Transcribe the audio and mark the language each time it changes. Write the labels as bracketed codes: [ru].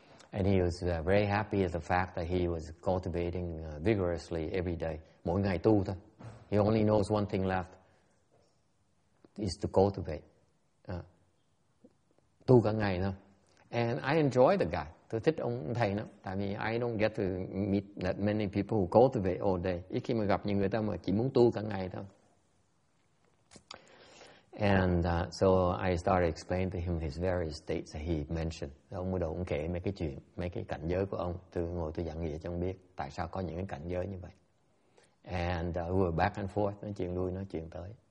[en] And he was very happy at the fact that he was cultivating vigorously every day. [vi] Mỗi ngày tu thôi. [en] He only knows one thing left. Is to cultivate. [vi] Tu cả ngày thôi. [en] And I enjoy the guy. [vi] Tôi thích ông thầy lắm. Tại vì [en] I don't get to meet that many people who cultivate all day. [vi] Ít khi mà gặp những người ta mà chỉ muốn tu cả ngày thôi. [en] And so I started explaining to him his various states that he mentioned. [vi] Ông bắt đầu ông kể mấy cái chuyện, mấy cái cảnh giới của ông. Tôi ngồi tôi dặn nghĩa cho ông biết tại sao có những cái cảnh giới như vậy. [en] And we were back and forth, [vi] nói chuyện lui, nói chuyện tới.